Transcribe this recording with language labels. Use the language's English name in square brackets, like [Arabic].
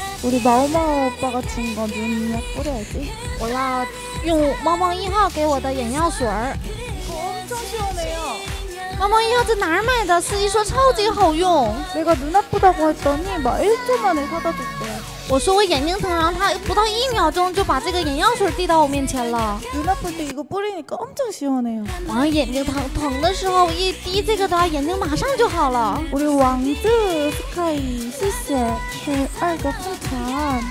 [Korean] 우리猫猫오빠같은거눈에뿌려야지 [Chinese] 我要用猫猫一号给我的眼药水儿。装修没有？猫猫一号在哪儿买的？司机说超级好用。 [Korean] 내가눈아프다고했더니막1초만에사다줬대 [Chinese] 我说我眼睛疼，然后他不到一秒钟就把这个眼药水递到我面前了。 [Korean] 눈아플때이거뿌리니까엄청시원해요。 [Chinese] 然后眼睛疼疼的时候一滴这个的话，眼睛马上就好了。 우리왕즈스카이谢谢十二个饭团，